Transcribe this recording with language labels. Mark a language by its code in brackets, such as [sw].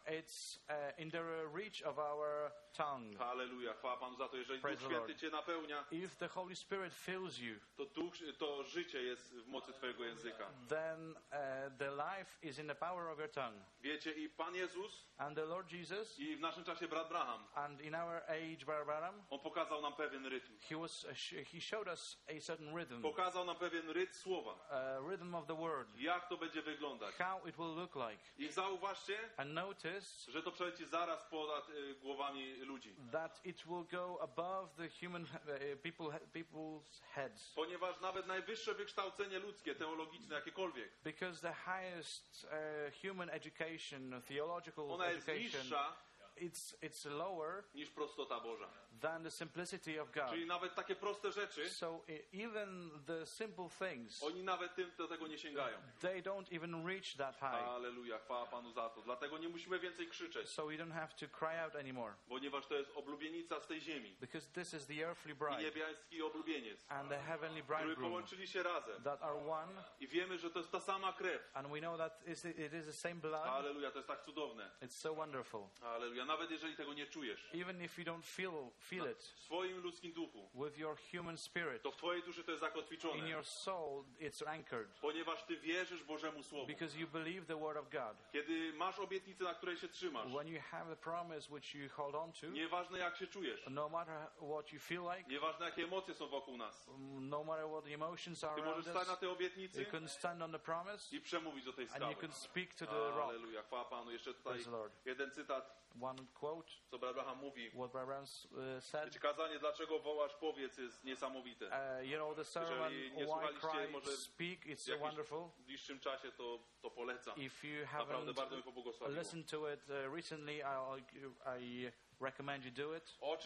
[en] It's in the reach of our tongue. Hallelujah. [pl] Chwała Panu za to, jeżeli [en] Praise [pl] Duch Święty cię napełnia. [en] If the Holy Spirit fills you. [pl] To życie jest w mocy twojego języka. [en] Then the life is in the power of your tongue. [pl] Wiecie, i Pan Jezus. [en] And the Lord Jesus. [pl] I w naszym czasie brat Abraham. [en] And in our age, brother Abraham. [pl] On pokazał nam pewien rytm. [en] He showed us a certain rhythm. [pl] Pokazał nam pewien rytm słowa. [en] Rhythm of the word. [pl] Jak to będzie wyglądać? [en] How it will look like. [pl] I zauważcie, [en] and notice, [pl] że to przeleci zaraz ponad głowami ludzi. [en] That it will go above the human people's heads. [pl] Ponieważ nawet najwyższe wykształcenie ludzkie, teologiczne, jakiekolwiek. [en] Because the highest human education, theological [pl] ona jest [en] education, [pl] niższa. [en] It's lower [pl] niż prostota Boża. [en] Than the simplicity of God. [pl] Czyli nawet takie proste rzeczy. [en] So even the simple things. [pl] Oni nawet tym do tego nie sięgają. [en] They don't even reach that high. [pl] Alleluja, chwała Panu za to. Dlatego nie musimy więcej krzyczeć. [en] So we don't have to cry out anymore. [pl] Ponieważ to jest oblubienica z tej ziemi. [en] Because this is the earthly bride. [pl] I niebiański oblubieniec. [en] And the heavenly bridegroom. [pl] Który połączyli się razem. [en] That are one. [pl] I wiemy, że to jest ta sama krew. [en] And we know that it is the same blood. [pl] Alleluja, to jest tak cudowne. [en] It's so wonderful. [pl] Alleluja. Nawet jeżeli tego nie czujesz. [en] Even if you don't feel it. [pl] W swoim ludzkim duchu. [en] With your human spirit. [pl] To w twojej duszy to jest zakotwiczone. [en] In your soul it's anchored. [pl] Ponieważ ty wierzysz Bożemu słowu. [en] Because you believe the word of God. [pl] Kiedy masz obietnicę, na której się trzymasz. [en] When you have a promise which you hold on to. [pl] Nieważne jak się czujesz. [en] No matter what you feel like. [pl] Nieważne jakie emocje są wokół nas. [en] No matter what the emotions are. [pl] Ty możesz stać na tej obietnicy. [en] You can stand on the promise. [pl] I przemówić do tej skały. [en] And you can speak to the rock. [pl] Alleluja, chwała Panu. Jeszcze tutaj jeden cytat. [en] One quote, [pl] co brat Abraham mówi. [en] What brother Abraham said. [pl] Wiecie, kazanie, dlaczego wołasz, powiedz, jest niesamowite. [en] You know, the sermon, why cry, speak, it's [pl] jakiś [en] wonderful. [pl] W bliższym czasie to polecam. [en] If you haven't [pl] bardzo mi pobłogosławiło. [en] Listen to it recently, I recommend you do it.